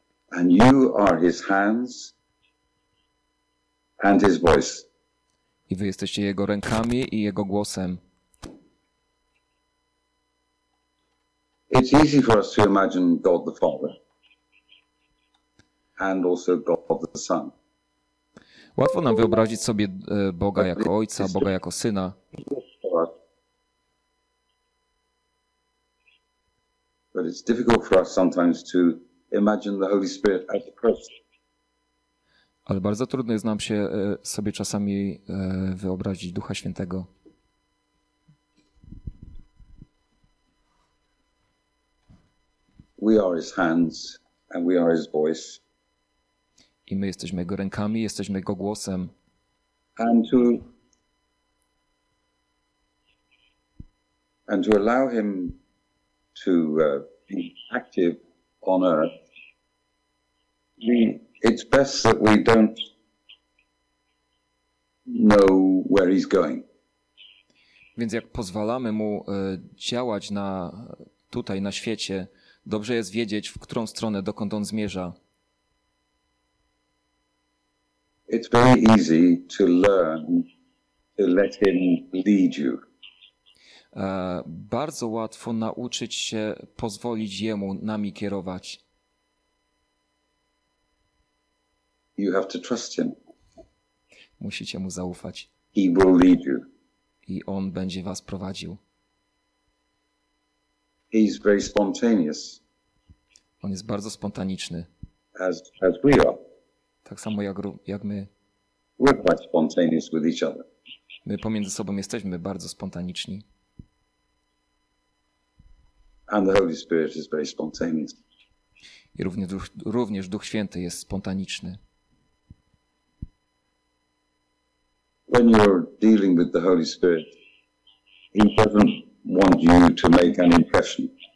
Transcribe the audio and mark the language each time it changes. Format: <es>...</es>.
<en>And you are his hands and his voice.</en> <pl>I wy jesteście jego rękami i jego głosem.</pl> <en>It's easy for us to imagine God the Father and also God the Son.</en> <pl>Łatwo nam wyobrazić sobie Boga jako Ojca, Boga jako Syna.</pl> <en>But it's difficult for us sometimes to imagine the Holy Spirit as a person.</en> <pl>Ale bardzo trudno jest nam się sobie czasami wyobrazić Ducha Świętego.</pl> <en>We are his hands and we are his voice.</en> <pl>I my jesteśmy jego rękami, jesteśmy jego głosem.</pl> <en>And to allow him to be active on earth, it's best that we don't know where he's going.</en> <pl>Więc jak pozwalamy mu działać na tutaj na świecie, dobrze jest wiedzieć, w którą stronę, dokąd on zmierza.</pl> <en>It's very easy to learn to let him lead you.</en> <pl>Bardzo łatwo nauczyć się pozwolić jemu nami kierować.</pl> <en>You have to trust him.</en> <pl>Musicie mu zaufać.</pl> <en>He will lead you.</en> <pl>I on będzie was prowadził.</pl> <en>He's very spontaneous.</en> <pl>On jest bardzo spontaniczny.</pl> <en>As we are.</en> <pl>Tak samo jak my.</pl> <en>We're quite spontaneous with each other.</en> <pl>My pomiędzy sobą jesteśmy bardzo spontaniczni.</pl> <en>And the Holy Spirit is very spontaneous.</en> <pl>I również Duch Święty jest spontaniczny.</pl> <en>When you're dealing with the Holy Spirit, he doesn't want you to make an impression.</en>